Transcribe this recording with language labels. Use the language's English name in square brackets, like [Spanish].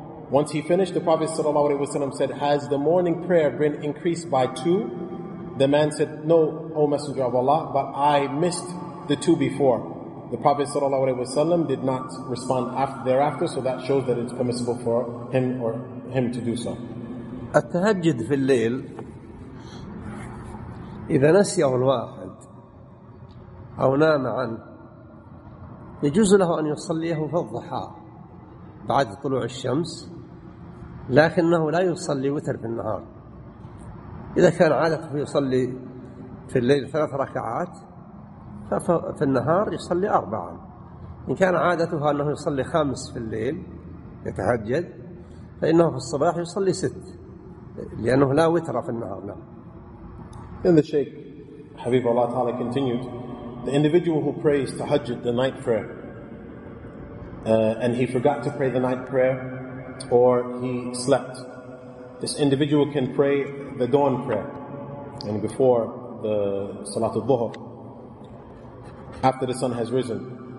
[English] Once he finished, the Prophet sallallahu alaihi wasallam said, has the morning prayer been increased by two? The man said, no, O Messenger of Allah, but I missed the two before. The Prophet sallallahu alaihi wasallam did not respond thereafter, so that shows that it's permissible for him or him to do so. [Arabic] التهجد في الليل إذا نسيه الواحد أو نام عنه يجوز له أن يصليه في الضحى بعد طلوع الشمس، لكنه لا يصلي وتر في النهار. إذا كان عادته يصلي في الليل ثلاث ركعات ففي النهار يصلي أربعا، إن كان عادته أنه يصلي خمس في الليل يتهجد فإنه في الصباح يصلي ست، لأنه لا وتر في النهار. [English] Then the Shaykh, Habibullah Ta'ala, continued, the individual who prays tahajjud, the night prayer, and he forgot to pray the night prayer, or he slept, this individual can pray the dawn prayer, and before the Salatul Dhuhr, after the sun has risen.